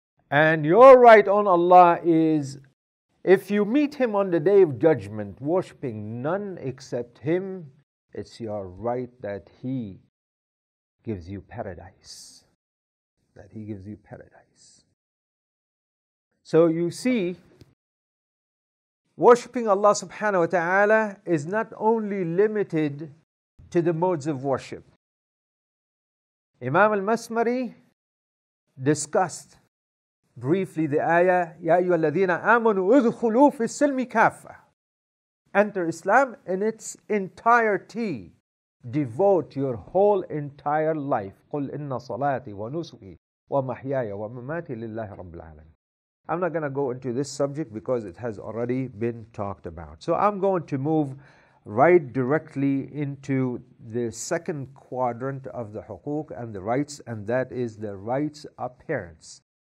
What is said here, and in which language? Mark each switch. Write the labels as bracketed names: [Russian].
[English] And your right on Allah is if you meet Him on the Day of Judgment, worshiping none except Him, it's your right that He gives you paradise. That He gives you paradise. So you see, worshiping Allah subhanahu wa ta'ala is not only limited to the modes of worship. Imam al-Masmari discussed briefly the ayah, [Arabic] يَا أَيُّهَا الَّذِينَ آمَنُوا اُدْخُلُوا فِي السِّلْمِ كَافَةً. [English] Enter Islam in its entirety. Devote your whole entire life. [Arabic] قُلْ إِنَّ صَلَاتِي وَنُسُكِي وَمَحْيَايَ وَمَمَاتِي لِلَّهِ رَبِّ الْعَالَمِينَ. [English] I'm not going to go into this subject because it has already been talked about. So I'm going to move right directly into the second quadrant of the huquq and the rights, and that is the rights of parents.